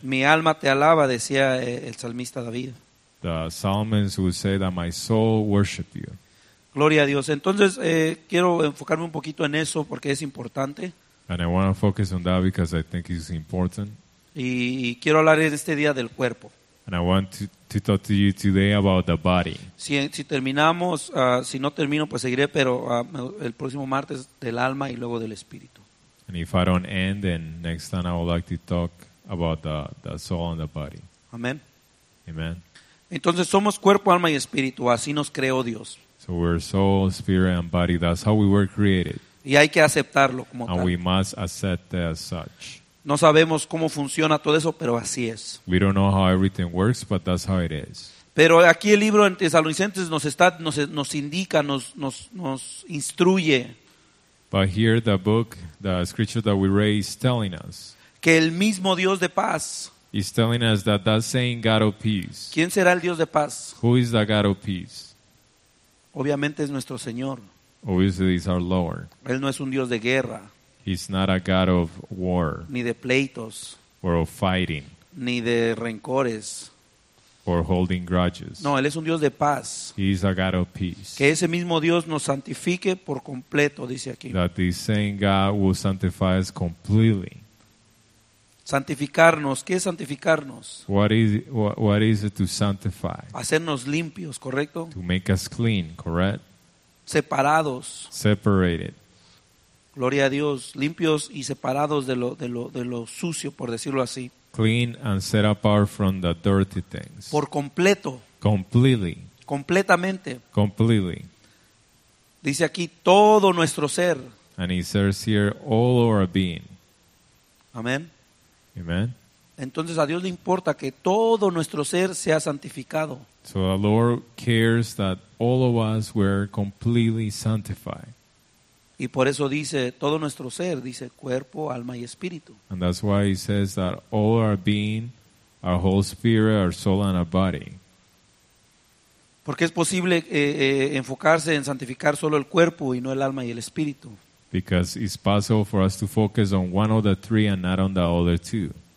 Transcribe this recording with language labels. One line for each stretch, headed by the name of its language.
Spanish: Mi alma te alaba, decía el salmista David.
English: The psalmist would say that my soul worship you.
Spanish: Gloria a Dios. Entonces quiero enfocarme un poquito en eso porque es importante.
English: And I want to focus on that because I think it's important.
Spanish: Y quiero hablar en este día del cuerpo.
English: And I want to talk to you today about the body.
Spanish: Si terminamos, si no termino, pues seguiré, pero el próximo martes del alma y luego del espíritu.
English: And if I don't end, then next time I would like to talk about the soul and the body. Amen. Amen.
Spanish: Entonces somos cuerpo, alma y espíritu, así nos creó Dios.
English: So we're soul, spirit and body. That's how we were created.
Spanish: Y hay que aceptarlo como
English: and
Spanish: tal.
English: And we must accept that as such.
Spanish: No sabemos cómo funciona todo eso, pero así es.
English: We don't know how everything works, but that's how it is.
Spanish: Pero aquí el libro en Tesalonicenses nos indica, nos instruye.
English: But here the book, the scripture that we read is telling us.
Spanish: Que el mismo Dios de paz.
English: He's telling us that that same God of peace.
Spanish: ¿Quién será el Dios de paz?
English: Who is the God of peace?
Spanish: Obviamente es nuestro Señor.
English: Obviously he's our Lord.
Spanish: Él no es un Dios de guerra.
English: He's not a God of war.
Spanish: Ni de pleitos.
English: Or of fighting.
Spanish: Ni de rencores.
English: Or holding grudges.
Spanish: No, él es un Dios de paz.
English: He is a God of peace.
Spanish: Que ese mismo Dios nos santifique por completo, dice aquí.
English: That the same God will sanctify us completely.
Spanish: Santificarnos, ¿qué es santificarnos?
English: What is it to sanctify?
Spanish: Hacernos limpios, ¿correcto?
English: To make us clean, correct?
Spanish: Separados.
English: Separated.
Spanish: Gloria a Dios, limpios y separados de lo sucio, por decirlo así.
English: Clean and set apart from the dirty things.
Spanish: Por completo.
English: Completely.
Spanish: Completamente.
English: Completely.
Spanish: Dice aquí todo nuestro ser.
English: And he says here all our being.
Spanish: Amén.
English: Amen.
Spanish: Entonces a Dios le importa que todo nuestro ser sea santificado.
English: So the Lord cares that all of us were completely sanctified.
Spanish: Y por eso dice todo nuestro ser, dice cuerpo, alma y espíritu.
English: And that's why he says that all our being, our whole spirit, our soul and our body.
Spanish: Porque es posible enfocarse en santificar solo el cuerpo y no el alma y el espíritu.
English: Because it's possible for us to focus on one of the three and not on the other two.